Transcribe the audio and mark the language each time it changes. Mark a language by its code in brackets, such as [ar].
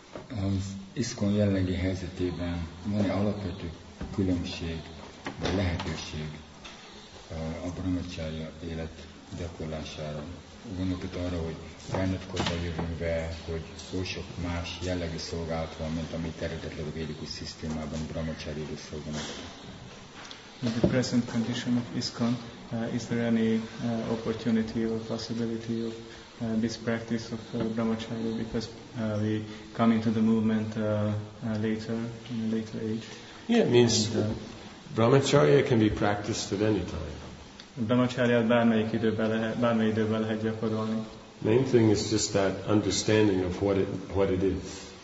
[hu] Az ISKCON jelenlegi helyzetében van-e alapvető különbség, vagy lehetőség a brahmacharya élet gyakorlására? Gondolok itt arra, hogy felnőttkorba jövünk be, hogy oly sok más jellegű szolgálat van, mint amit eredetleg a védikus szisztémában brahmacharya élet szolgálat. [en] In the present condition of ISKCON, Is there any opportunity or possibility of this practice of brahmacharya because we come into the movement later, in a later age? Yeah, it means brahmacharya can be practiced at any time. [hu] Brahmacharya bármely időbe lehet gyakorolni. [en] Main thing is just that understanding of what it is.